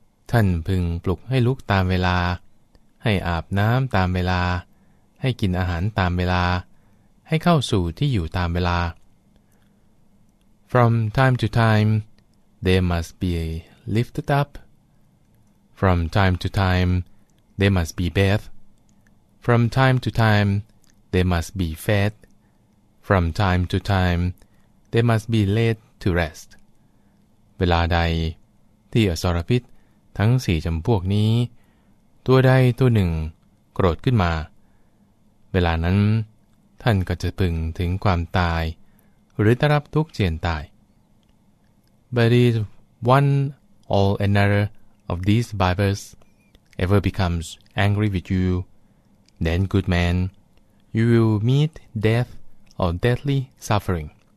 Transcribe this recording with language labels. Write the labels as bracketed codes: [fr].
[th] ท่านพึงปลุกให้ลุกตามเวลาให้อาบน้ำตามเวลาให้กินอาหารตามเวลาให้เข้าสู่ที่อยู่ตามเวลา [en] From time to time, they must be lifted up. From time to time, they must be bathed. From time to time, they must be fed. From time to time, they must be laid to rest. [th] เวลาใดที่อสรพิษทั้งสี่จำพวกนี้ตัวใดตัวหนึ่งโกรธขึ้นมาเวลานั้นท่านก็จะพึงถึงความตายหรือได้รับทุกข์เจียนตาย [en] But is one or anotherof these vipers ever becomes angry with you, then, good man, you will meet death or deadly suffering.